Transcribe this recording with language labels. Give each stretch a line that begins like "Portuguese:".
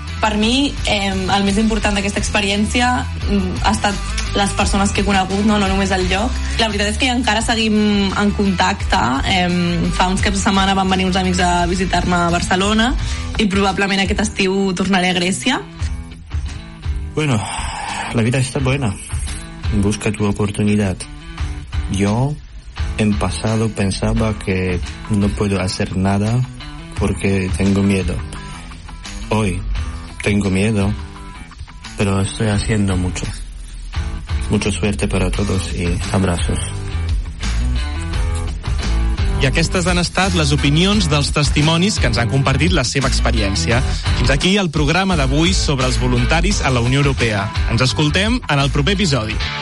Catalan: Per mi, el més important d'aquesta experiència ha estat les persones que he conegut, no només el lloc. La veritat és que encara seguim en contacte. Fa uns caps de setmana van venir uns amics a visitar-me a Barcelona i probablement aquest estiu tornaré a Grècia.
Spanish: Bueno, la vida está buena. Busca tu oportunidad. Yo, en pasado, pensaba que no puedo hacer nada porque tengo miedo. hoy. Tengo miedo, pero estoy haciendo mucho. Mucha suerte para todos y abrazos.
Catalan: I aquestes han estat les opinions dels testimonis que ens han compartit la seva experiència. Fins aquí el programa d'avui sobre els voluntaris a la Unió Europea. Ens escoltem en el proper episodi.